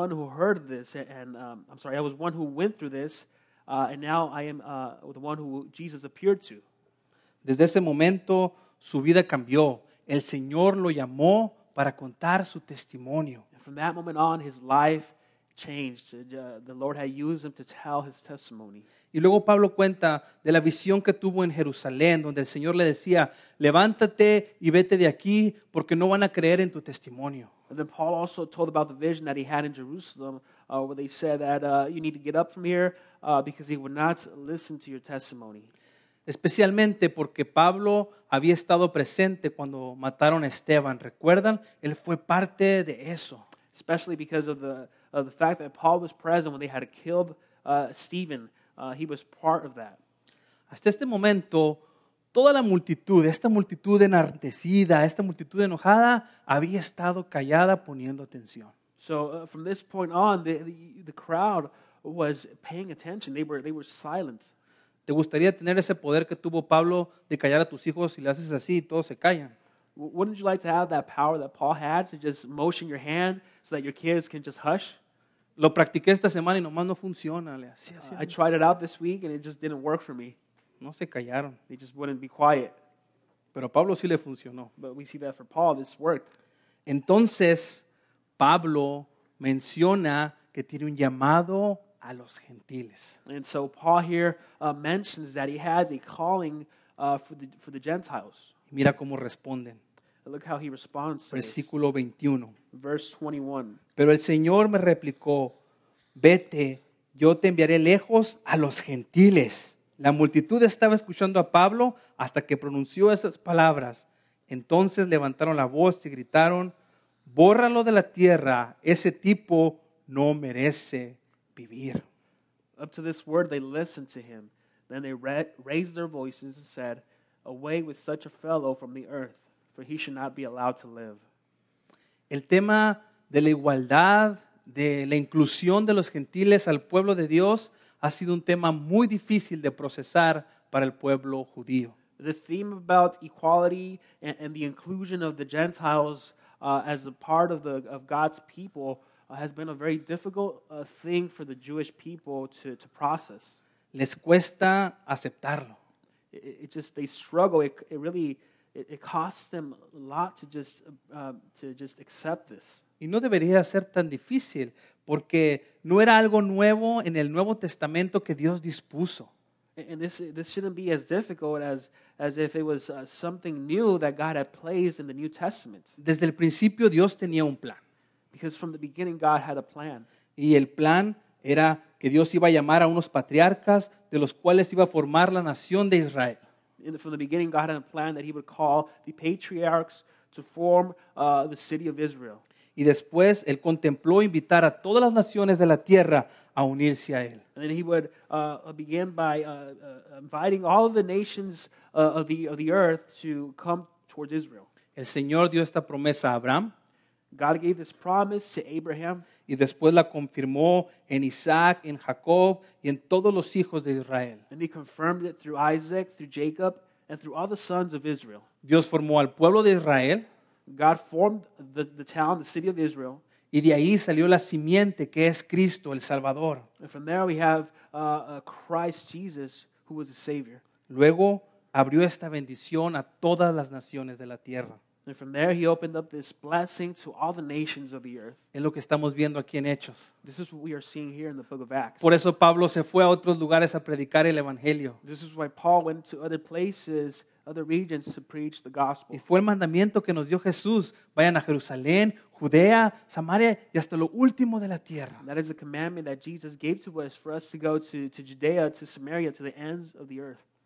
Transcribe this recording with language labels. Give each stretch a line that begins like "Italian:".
English: I was one who went through this, and now I am the one who Jesus appeared to.
Spanish: Desde ese momento, su vida cambió. El Señor lo llamó para contar su testimonio.
English: And from that moment on, his life changed. The Lord had used him to tell his testimony.
Spanish: Y luego Pablo cuenta de la visión que tuvo en Jerusalén, donde el Señor le decía, levántate y vete de aquí, porque no van a creer en tu testimonio.
English: And then Paul also told about the vision that he had in Jerusalem, where they said that you need to get up from here because he would not listen to your testimony.
Spanish: Especialmente porque Pablo había estado presente cuando mataron a Esteban. ¿Recuerdan? Él fue parte de eso.
English: Especially because of the fact that Paul was present when they had killed Stephen. He was part of that.
Spanish: Hasta este momento, toda la multitud, esta multitud enardecida, esta multitud enojada, había estado callada poniendo atención.
English: So from this point on, the crowd was paying attention. They were silent.
Spanish: ¿Te gustaría tener ese poder que tuvo Pablo de callar a tus hijos si le haces así y todos se callan?
English: Wouldn't you like to have that power that Paul had to just motion your hand so that your kids can just hush?
Spanish: Lo practiqué esta semana y nomás no funciona.
English: I tried it out this week and it just didn't work for me.
Spanish: No se callaron.
English: They just wouldn't be quiet.
Spanish: Pero a Pablo sí le funcionó.
English: But we see that for Paul, this worked.
Spanish: Entonces, Pablo menciona que tiene un llamado a los gentiles.
English: And so Paul here mentions that he has a calling for the Gentiles.
Spanish: Mira cómo responden.
English: Look how he responds.
Spanish: Versículo 21.
English: Verse 21.
Spanish: Pero el Señor me replicó, vete, yo te enviaré lejos a los gentiles. La multitud estaba escuchando a Pablo hasta que pronunció esas palabras. Entonces levantaron la voz y gritaron, bórralo de la tierra, ese tipo no merece vivir.
English: Up to this word they listened to him. Then they raised their voices and said, away with such a fellow from the earth, for he should not be allowed to live.
Spanish: El tema de la igualdad, de la inclusión de los gentiles al pueblo de Dios, ha sido un tema muy difícil de procesar para el pueblo judío.
English: The theme about equality and the inclusion of the Gentiles as a part of God's people has been a very difficult thing for the Jewish people to process.
Spanish: Les cuesta aceptarlo.
English: It costs them a lot to just accept this.
Spanish: Y no debería ser tan difícil, porque no era algo nuevo en el Nuevo Testamento que Dios dispuso.
English: And this shouldn't be as difficult as if it was something new that God had placed in the New Testament.
Spanish: Desde el principio Dios tenía un plan.
English: Because from the beginning God had a plan.
Spanish: Y el plan era que Dios iba a llamar a unos patriarcas de los cuales iba a formar la nación de Israel.
English: From the beginning, God had a plan that he would call the patriarchs to form the city of Israel.
Spanish: Y después, él contempló invitar a todas las naciones de la tierra a unirse a él.
English: And then he would begin by inviting all of the nations of the earth to come towards Israel.
Spanish: El Señor dio esta promesa a Abraham.
English: God gave this promise to Abraham.
Spanish: Y después la confirmó en Isaac, en Jacob, y en todos los hijos de Israel.
English: And he confirmed it through Isaac, through Jacob, and through all the sons of Israel.
Spanish: Dios formó al pueblo de Israel.
English: God formed the town, the city of Israel.
Spanish: Y de ahí salió la simiente que es Cristo, el Salvador.
English: And from there we have Christ Jesus, who was the Savior.
Spanish: Luego abrió esta bendición a todas las naciones de la tierra.
English: And from there he opened up this blessing to all the nations of the earth.
Spanish: Es lo que estamos viendo aquí en Hechos.
English: This is what we are seeing here in the book of Acts.
Spanish: Por eso Pablo se fue a otros lugares a predicar el Evangelio.
English: This is why Paul went to other places, other regions to preach the gospel.
Spanish: Y fue el mandamiento que nos dio Jesús. Vayan a Jerusalén, Judea, Samaria y hasta lo último de la tierra.
English: That is the commandment that Jesus gave to us for us to go to Judea, to Samaria, to the ends of the earth.